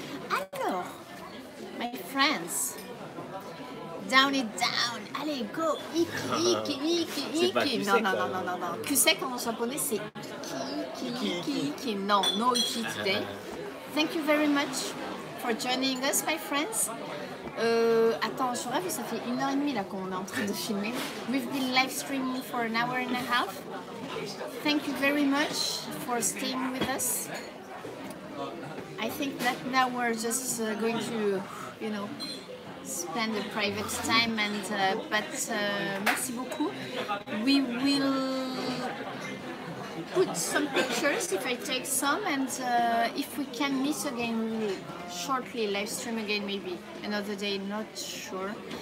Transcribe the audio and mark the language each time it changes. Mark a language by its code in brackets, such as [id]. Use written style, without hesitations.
[en] Alors, my friends, down it down. Allez, go. [fr] Iki, iki, iki, iki. Non, non, non, non, non, non. Kusek en japonais, c'est iki, iki, iki, iki. [en] Non, no iki today. Thank you very much for joining us, my friends. [fr] Attends, je rêve, ça fait une heure et demie là qu'on est en train de filmer. [en] We've been live streaming for an hour and a half. Thank you very much for staying with us. I think that now we're just going to, you know, spend a private time. And [fr] merci beaucoup. [en] We will put some pictures if I take some, and if we can meet again, we'll shortly live stream again, maybe another day, not sure.